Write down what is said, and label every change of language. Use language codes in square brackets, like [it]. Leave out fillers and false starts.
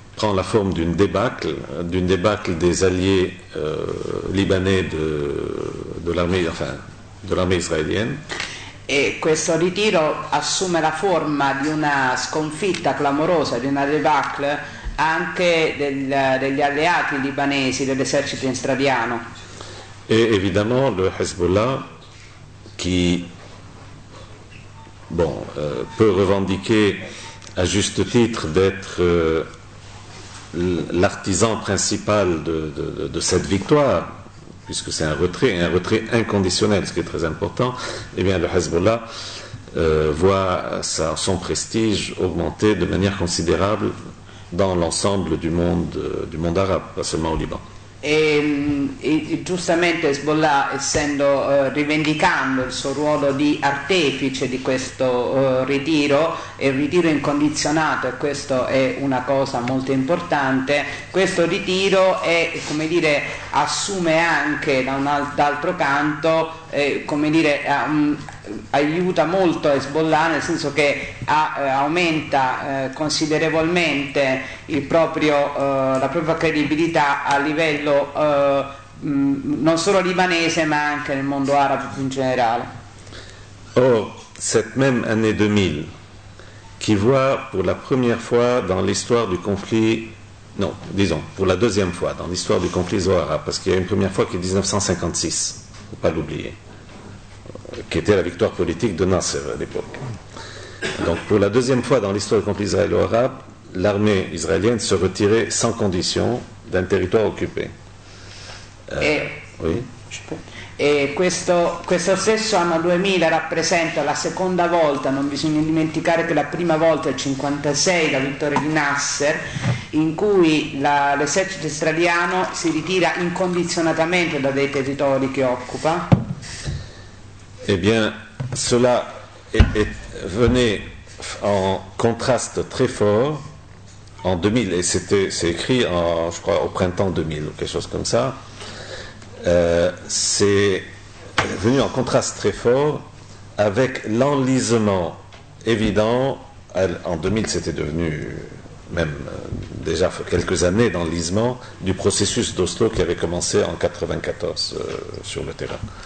[fr] prend la forme d'une débâcle des alliés libanais de l'armée, enfin, de l'armée israélienne. [it] E questo ritiro assume la forma di una sconfitta clamorosa, di una debacle anche degli alleati libanesi, dell'esercito israeliano. [fr] E évidemment le Hezbollah qui bon, peut revendiquer à juste titre d'être l'artisan principal de cette victoire, puisque c'est un retrait inconditionnel, ce qui est très important, eh bien le Hezbollah voit son prestige augmenter de manière considérable dans l'ensemble du monde arabe, pas seulement au Liban. [it] E giustamente Hezbollah, essendo rivendicando il suo ruolo di artefice di questo ritiro, e ritiro incondizionato, e questo è una cosa molto importante, questo ritiro è, come dire, assume anche da un altro canto, come dire, aiuta molto Hezbollah, nel senso che aumenta considerevolmente il proprio, la propria credibilità a livello non solo libanese ma anche nel mondo arabo più in generale. [fr] Or, cette même année 2000, qui voit pour la première fois dans l'histoire du conflit, non, disons, pour la deuxième fois dans l'histoire du conflit Zohara, parce qu'il y a une première fois qui est 1956, il ne faut pas l'oublier, qui était la victoire politique de Nasser à l'époque. Donc pour la deuxième fois dans l'histoire du conflit israélo-arabe, l'armée israélienne se retirait sans condition d'un territoire occupé. Oui. [it] E questo stesso anno 2000 rappresenta la seconda volta, non bisogna dimenticare che la prima volta è il 1956, la vittoria di Nasser, in cui l'esercito israeliano si ritira incondizionatamente da dei territori che occupa. [fr] Eh bien, cela venait en contraste très fort en 2000, et c'est écrit, je crois, au printemps 2000 ou quelque chose comme ça. C'est venu en contraste très fort avec l'enlisement évident, en 2000 c'était devenu même déjà quelques années d'enlisement, du processus d'Oslo qui avait commencé en 1994 sur le terrain.